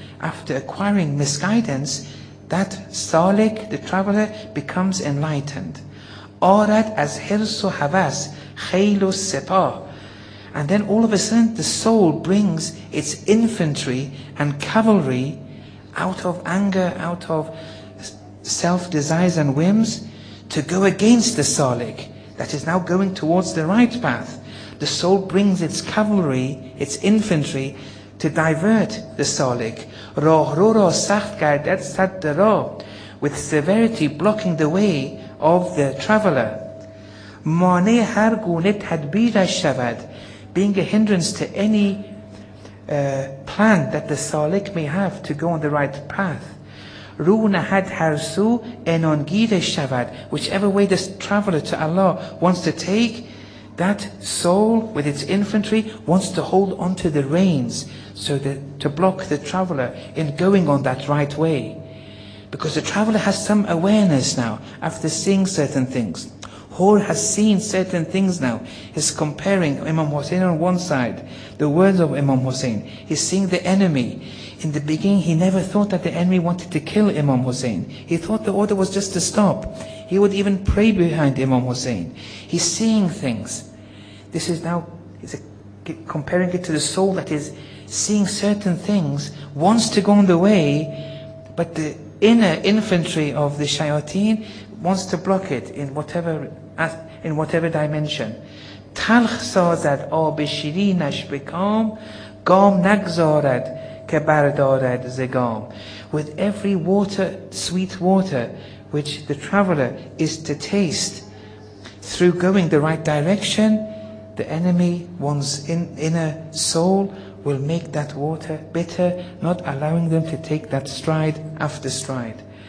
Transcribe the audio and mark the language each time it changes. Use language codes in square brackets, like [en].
[en] After acquiring misguidance, that سالک, the traveler, becomes enlightened. [fa] آرد از حرص و هوس خیل و سپاه. [en] And then all of a sudden the soul brings its infantry and cavalry out of anger, out of self-desires and whims, to go against the سالک that is now going towards the right path. The soul brings its cavalry, its infantry, to divert the salik. [fa] راه رو را سخت گردد سد را. [en] With severity blocking the way of the traveler. [fa] مانع هر گونه تدبیرش شود. [en] Being a hindrance to any plan that the salik may have to go on the right path. [fa] رو نهد هر سو انانگیرش شود. [en] Whichever way this traveler to Allah wants to take, that soul with its infantry wants to hold onto the reins so that to block the traveler in going on that right way. Because the traveler has some awareness now after seeing certain things. Hor has seen certain things now. He's comparing Imam Hussein on one side, the words of Imam Hussein. He's seeing the enemy. In the beginning, he never thought that the enemy wanted to kill Imam Hussein. He thought the order was just to stop. He would even pray behind Imam Hussein. He's seeing things. This is now, comparing it to the soul that is seeing certain things, wants to go on the way, but the inner infantry of the shayateen wants to block it in whatever dimension. [fa] تلخ سازد آب شیرینش بکام گام نگذارد که بردارد زگام. [en] With every water, sweet water, which the traveler is to taste through going the right direction, the enemy, one's inner soul, will make that water bitter, not allowing them to take that stride after stride.